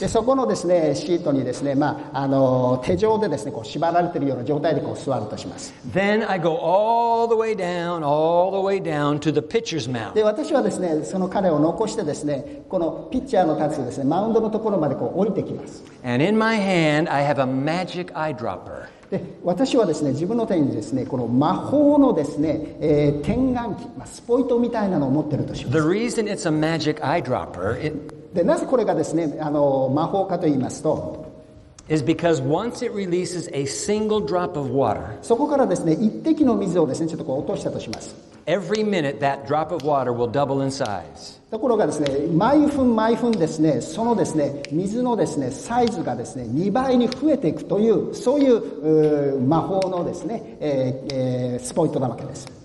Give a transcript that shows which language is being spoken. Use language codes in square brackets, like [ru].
[ja] でそこのですね、シートにですね、まああの手錠でですね、こう縛られているような状態でこう座るとします。 [en] Then I go all the way down to the pitcher's mound. [ja] で私はですね、その彼を残してですね。このピッチャーの立つですね、マウンドのところまでこう降りてきます。 [en] And in my hand, I have a magic eyedropper. [ja] で私はですね、自分の手にですね、この魔法のですね、点眼器、まあ、スポイトみたいなのを持ってるとします。 [en] The reason it's a magic eyedropper, [ja] でなぜこれがですね、あの魔法かと言いますと、 [en] is because once it releases a single drop of water, [ja] そこからですね、一滴の水をですね、ちょっとこう落としたとします。 [en] Every minute, that drop of water will double in size. [ja] ところがですね、毎分ですね、そのですね、水のですね、サイズがですね、2倍に増えていくという、そういう、魔法のですね、スポイトなわけです。